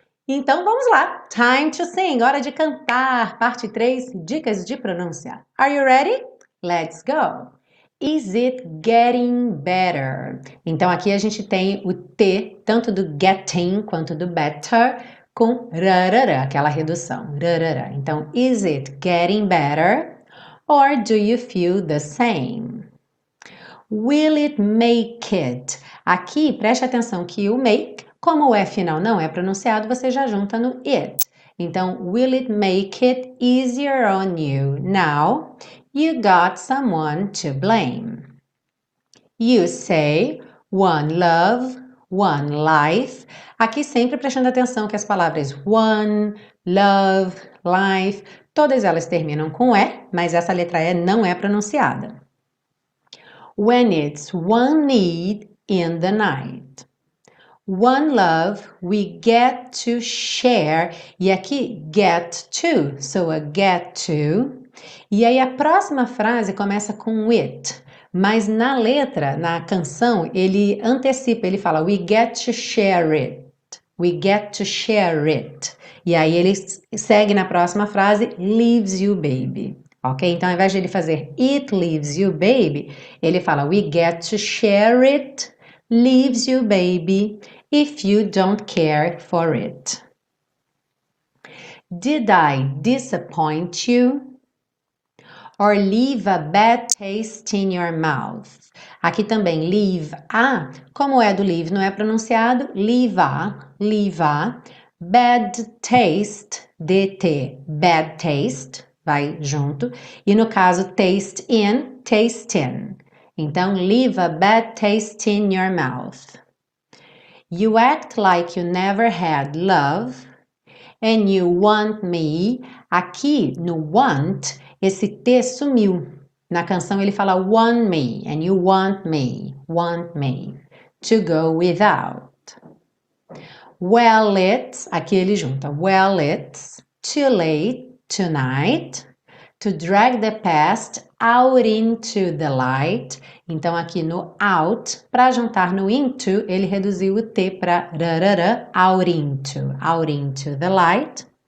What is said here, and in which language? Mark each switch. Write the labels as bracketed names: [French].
[Portuguese] Então vamos lá, [English] time to sing, [Portuguese] hora de cantar, parte 3, dicas de pronúncia. [English] Are you ready? Let's go! Is it getting better? [Portuguese] Então aqui a gente tem o T, tanto do getting quanto do better, com rarara, aquela redução, rarara. [English] Então, is it getting better or do you feel the same? Will it make it? [Portuguese] Aqui, preste atenção que o make, como o E final não é pronunciado, você já junta no it. [English] Então, will it make it easier on you? Now, you got someone to blame. You say, one love, one life. [Portuguese] Aqui sempre prestando atenção que as palavras one, love, life, todas elas terminam com E, mas essa letra E não é pronunciada. [English] When it's one need in the night. One love we get to share. [Portuguese] E aqui, get to, so a get to. E aí a próxima frase começa com it. Mas na letra, na canção, ele antecipa, ele fala [English] we get to share it. We get to share it. [Portuguese] E aí ele segue na próxima frase, [English] leaves you baby. [Portuguese] Ok? Então, ao invés de ele fazer [English] it leaves you baby, [Portuguese] ele fala [English] we get to share it, leaves you baby, if you don't care for it. Did I disappoint you? Or leave a bad taste in your mouth. [Portuguese] Aqui também, leave a, como é do leave, não é pronunciado, leave a, [English] bad taste, [Portuguese] DT, bad taste, vai junto, e no caso, taste in, taste in. [English] Então, leave a bad taste in your mouth. You act like you never had love, and you want me, [Portuguese] aqui no want, esse T sumiu. Na canção ele fala want me, [English] and you want me, to go without. Well, it's, [Portuguese] aqui ele junta, [English] well, it's too late tonight to drag the past out into the light. [Portuguese] Então aqui no out, para juntar no into, ele reduziu o T para rarara, [English] out into the light.